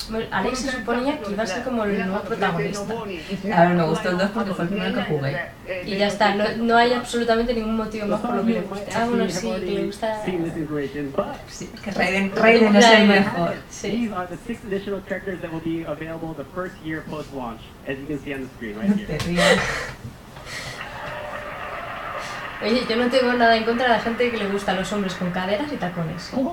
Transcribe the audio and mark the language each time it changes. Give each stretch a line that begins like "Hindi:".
Spanish: Alex se suponía que iba a ser como el nuevo protagonista. A ver, me gustó el 2 porque fue el primero que jugué. Y ya está, no hay absolutamente ningún motivo más por lo que le guste. Ah, bueno, sí, que le gusta. Sí, que Raiden es el mejor. Sí.
English: These are the 6 additional characters that will be available the first year post launch, as you can see on the screen right here.
Spanish: Oye, yo no tengo nada en contra de la gente que le gusta a los hombres con caderas y tacones.